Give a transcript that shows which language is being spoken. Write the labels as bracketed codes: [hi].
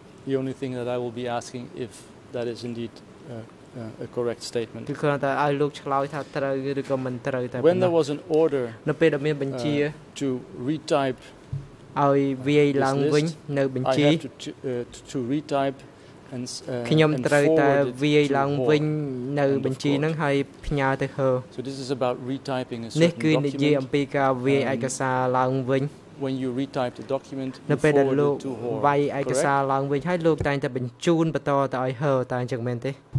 [en] the only thing that I will be asking if that is indeed a correct statement [km] គឺគាត់ថាឲ្យលោកឆ្លើយថាត្រូវឬក៏មិនត្រូវតែ [en] when there was an order [km] នៅពេលដែលមានបញ្ជា [en] to retype [km] ឲ្យវាយឡើងវិញនៅបញ្ជា [en] to retype and [km] ខ្ញុំត្រូវតែវាយឡើងវិញនៅបញ្ជាហ្នឹងហើយផ្ញើទៅ her [en] so this is about retyping a [km] document នេះគឺនិយាយអំពីការវាយឯកសារឡើងវិញ [en] when you retype the document you forward it to her [km] វាយឯកសារឡើងវិញហើយលោកតែងតែបញ្ជូនបន្តទៅឲ្យ her តើអញ្ចឹងមែនទេ